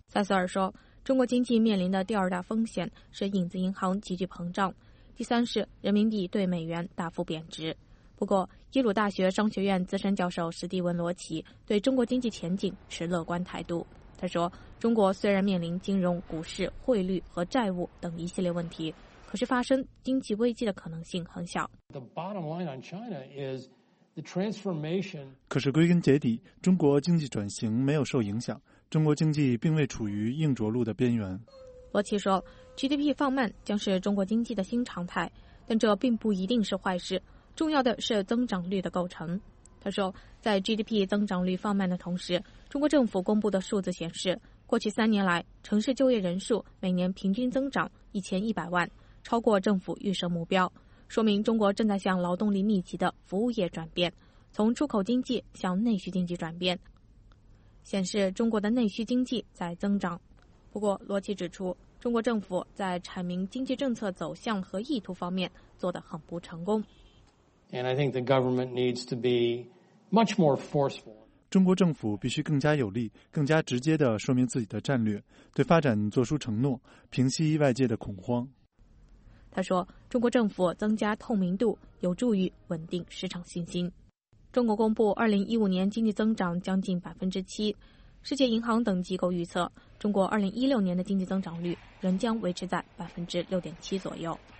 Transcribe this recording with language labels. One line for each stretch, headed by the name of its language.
Chinese: 塞瑟尔说，中国经济面临的第二大风险是影子银行急剧膨胀，第三是人民币对美元大幅贬值。不过，耶鲁大学商学院资深教授史蒂文·罗奇对中国经济前景持乐观态度。他说，中国虽然面临金融、股市、汇率和债务等一系列问题，可是发生经济危机的可能性很小。
English: The bottom line on China is
Chinese: 可是归根结底，中国经济转型没有受影响，中国经济并未处于硬着陆的边缘。罗琦说， GDP 放慢将是中国经济的新常态，但这并不一定是坏事，重要的是增长率的构成。他说，在 GDP 增长率放慢的同时，中国政府公布的数字显示，过去三年来，城市就业人数每年平均增长1100万，超过政府预设目标，说明中国正在向劳动力密集的服务业转变，从出口经济向内需经济转变，显示中国的内需经济在增长。不过，罗琦指出，中国政府在阐明经济政策走向和意图方面做得很不成功。
English: And I think the government needs to be much more forceful.
Chinese: 中国政府必须更加有力，更加直接地说明自己的战略，对发展做出承诺，平息外界的恐慌。他说，中国政府增加透明度有助于稳定市场信心。中国公布2015年经济增长将近7%，世界银行等机构预测，中国2016年的经济增长率仍将维持在6.7%左右。